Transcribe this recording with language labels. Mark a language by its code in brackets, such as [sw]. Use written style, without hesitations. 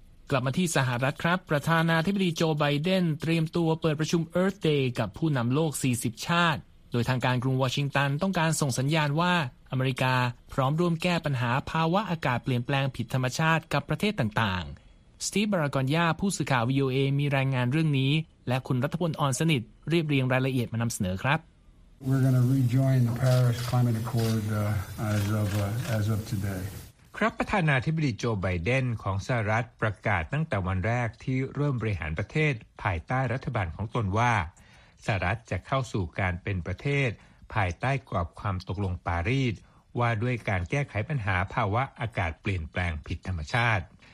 [th] กลับมาที่สหรัฐครับประธานาธิบดีโจไบเดนเตรียมตัวเปิดประชุม Earth Day กับผู้นำโลก40ชาติโดยทางการกรุงวอชิงตันต้องการส่งสัญญาณว่าอเมริกาพร้อมร่วมแก้ปัญหาภาวะอากาศเปลี่ยนแปลงผิดธรรมชาติกับประเทศต่างๆสตีฟบารากอนยาผู้สื่อข่าว VOA มีรายงานเรื่องนี้และคุณรัฐพลอ่อนสนิทเรียบเรียงรายละเอียดมานำเสนอครับ [en] We're going to rejoin the Paris Climate Accord as of today [th] ครับประธานาธิบดีโจไบเดนของสหรัฐประกาศตั้งแต่วันแรกที่เริ่มบริหารประเทศภายใต้รัฐบาลของตนว่าสหรัฐจะเข้าสู่การเป็นประเทศภายใต้กรอบความตกลงปารีสว่าด้วยการแก้ไขปัญหาภาวะอากาศเปลี่ยนแปลงผิดธรรมชาติ